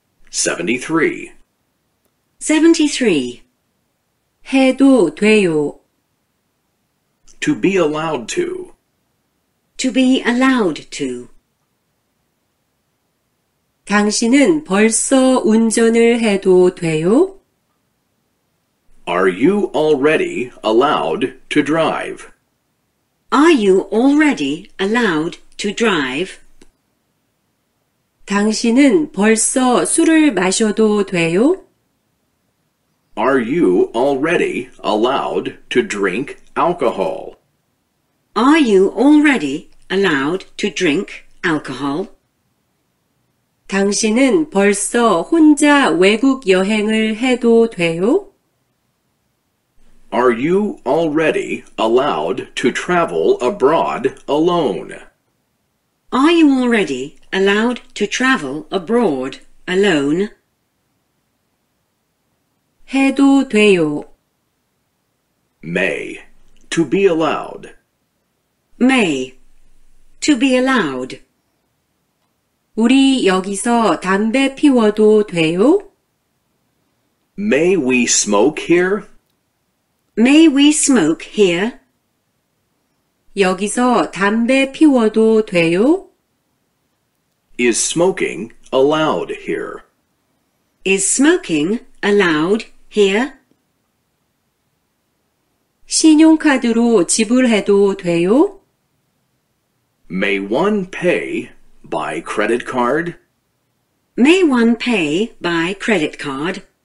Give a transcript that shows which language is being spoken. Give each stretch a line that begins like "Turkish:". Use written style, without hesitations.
Korean: 73 해도 돼요
English: To be allowed to. To be allowed to.
Korean: 당신은 벌써 운전을 해도 돼요?
English: Are you already allowed to drive? Are you already allowed to drive?
Korean: 당신은 벌써 술을 마셔도 돼요?
English: Are you already allowed to drink alcohol? Are you already allowed to drink alcohol?
Korean: 당신은 벌써 혼자 외국 여행을 해도 돼요?
English: Are you already allowed to travel abroad alone? Are you already allowed to travel abroad alone?
Korean: 해도 돼요.
English: May, to be allowed. May, to be allowed.
Korean: 우리 여기서 담배 피워도 돼요?
English: May we smoke here? May we smoke here?
Korean: 여기서 담배 피워도 돼요?
English: Is smoking allowed here? Is smoking allowed here?
Korean: 신용카드로 지불해도 돼요?
English: May one pay by credit card? May one pay by credit card?